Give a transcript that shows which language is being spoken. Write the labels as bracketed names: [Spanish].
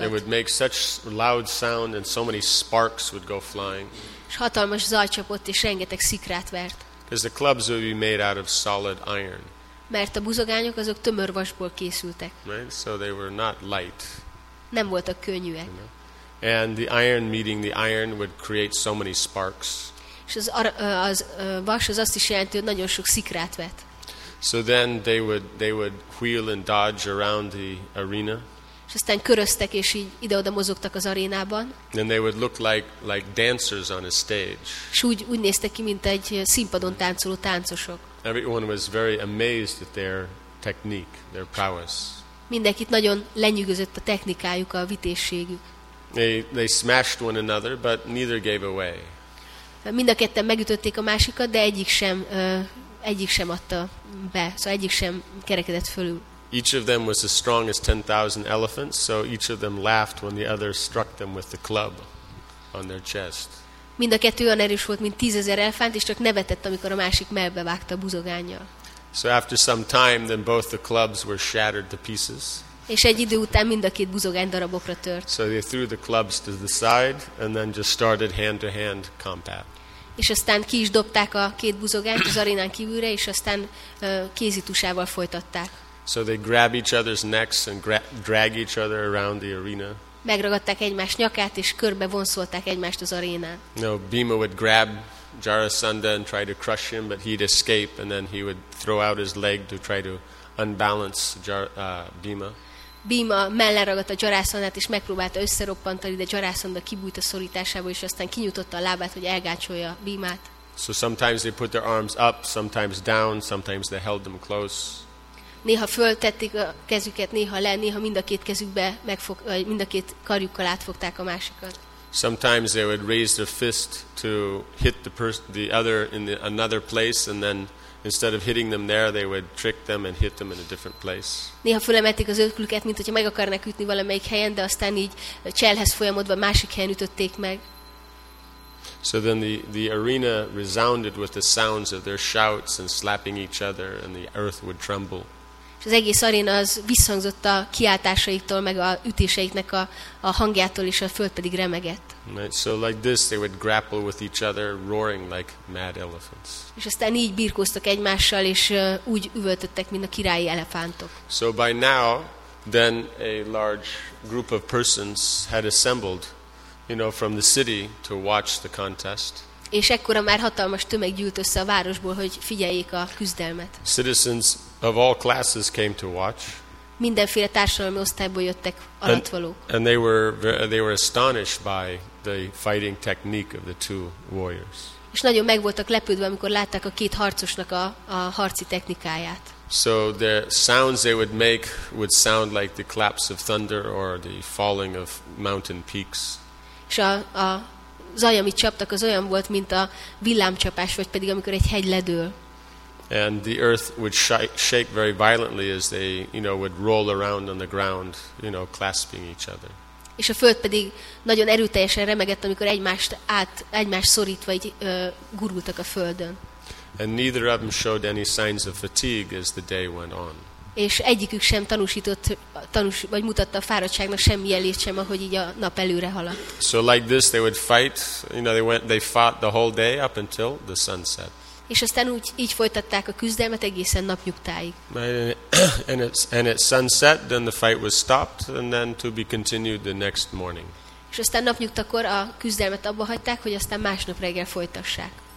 [English] It would make such loud sound and so many sparks would go flying. [Hungarian] És hatalmas zaj csapott és rengeteg szikrát vert. [English] Because the clubs would be made out of solid iron. [Hungarian] Mert a buzogányok azok tömörvasból készültek. [English] Right? So they were not light. [Hungarian] Nem voltak könnyűek. [English] You know? And the iron meeting the iron would create so many sparks. [Hungarian] És az vas az azt is jelenti, hogy nagyon sok szikrát vett. [English] So then they would wheel and dodge around the arena. [Hungarian] És aztán köröztek és így ide-oda mozogtak az arénában. [English] And they would look like dancers on a stage. [Hungarian] És úgy néztek ki, mint egy színpadon táncoló táncosok. [English] Everyone was very amazed at their technique, their prowess. [Hungarian] Mindenkit nagyon lenyűgözött a technikájuk, a vitézségük. [English] They smashed one another, but neither gave away. [Hungarian] Mind a ketten megütötték a másikat, de egyik sem adta be, szóval egyik sem kerekedett fölül. [English] Each of them was as strong as 10,000 elephants, so each of them laughed when the other struck them with the club on their chest. [Hungarian] Mind a kettő olyan erős volt, mint 10,000 elefánt, és csak nevetett, amikor a másik mellbe vágta a buzogánnyal. [English] So after some time, then both the clubs were shattered to pieces. [Hungarian] És egy idő után mind a két buzogány darabokra tört. [English] So they threw the clubs to the side, and then just started hand-to-hand combat. [Hungarian] És aztán ki is dobták a két buzogányt az arénán kívülre, és aztán kézitusával folytatták. [English] So they grab each other's necks and drag each other around the arena. [Hungarian] Megragadták egymás nyakát, és körbe vonszolták egymást az arénán. [English] No, Bhima would grab Jarasandha and try to crush him, but he'd escape, and then he would throw out his leg to try to unbalance Bhima. [Hungarian] Bhima melleragadt a Jarasandhát, és megpróbálta összeroppantani, de Jarasandha kibújt a szorításából, és aztán kinyújtotta a lábát, hogy elgácsolja Bhimát. [English] So sometimes they put their arms up, sometimes down, sometimes they held them close. [Hungarian] Néha föltették a kezüket, néha le, néha mind a két kezükbe megfog, mind a két karjukkal átfogták a másikat. [English] Sometimes they would raise their fist to hit the other in another place, and then instead of hitting them there, they would trick them and hit them in a different place. [Hungarian] Néha fölemelték az ötlüket, mint hogyha meg akarnak ütni valamelyik helyen, de aztán így cselhez folyamodva másik helyen ütötték meg. [English] So then the arena resounded with the sounds of their shouts and slapping each other, and the earth would tremble. [Hungarian] És az egész aréna az visszhangzott a kiáltásaitól, meg a ütéseiknek a hangjától, és a föld pedig remegett. [English] Right, so like this they would grapple with each other, roaring like mad elephants. [Hungarian] És aztán így birkóztak egymással, és úgy üvöltöttek, mint a királyi elefántok. [English] So by now, then a large group of persons had assembled, you know, from the city to watch the contest. [Hungarian] És ekkora már hatalmas tömeg gyűlt össze a városból, hogy figyeljék a küzdelmet. [English] Citizens of all classes came to watch. [Hungarian] Mindenféle társadalmi osztályból jöttek alattvalók. [English] And they were astonished by the fighting technique of the two warriors. [Hungarian] És nagyon meg voltak lepődve, amikor látták a két harcosnak a harci technikáját. [English] So the sounds they would make would sound like the claps of thunder or the falling of mountain peaks. [Hungarian] És a zaj, amit csaptak, az olyan volt, mint a villámcsapás, vagy pedig amikor egy hegy ledől. [English] And the earth would shake very violently as they, you know, would roll around on the ground, you know, clasping each other. [Hungarian] És a föld pedig nagyon erőteljesen remegett, amikor egymást szorítva így gurultak a földön. [English] And neither of them showed any signs of fatigue as the day went on. [Hungarian] És egyikük sem vagy mutatta a fáradtságnak semmi jelét sem, ahogy így a nap előre haladt. [English] So like this they would fight, you know, they fought the whole day up until the sunset. [Hungarian] És aztán úgy így folytatták a küzdelmet egészen napnyugtáig. [English] And at sunset then the fight was stopped and then to be continued the next morning. [Hungarian] És aztán napnyugtakor a küzdelmet abba hagyták, hogy aztán másnap reggel folytassák.